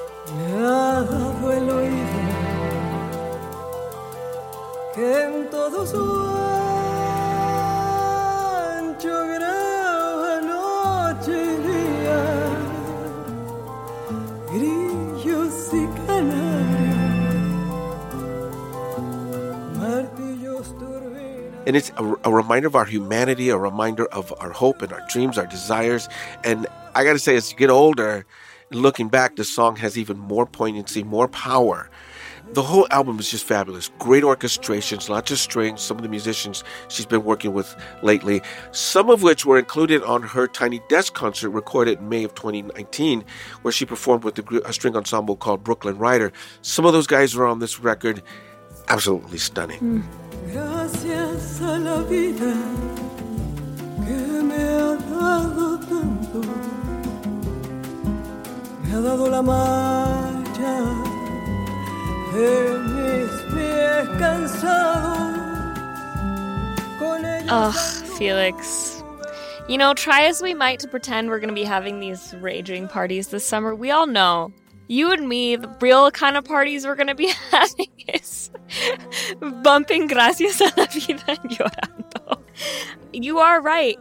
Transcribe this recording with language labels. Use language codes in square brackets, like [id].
[es] Me ha dado el oído que en todo su ancho graba noche y día, grillos y canarios, martillos turbinas. [en] And it's a reminder of our humanity, a reminder of our hope and our dreams, our desires. And I gotta say, as you get older, looking back, the song has even more poignancy, more power. The whole album is just fabulous. Great orchestrations, not just strings, some of the musicians she's been working with lately, some of which were included on her Tiny Desk concert recorded in May of 2019, where she performed with a string ensemble called Brooklyn Rider. Some of those guys are on this record. Absolutely stunning. [es] Gracias a la vida que me ha dado tanto. Me ha dado la marcha de mis pies cansados. [en] Ugh, Felix. You know, try as we might to pretend we're going to be having these raging parties this summer, we all know, you and me, the real kind of parties we're going to be having is bumping Gracias a la Vida and llorando. You are right.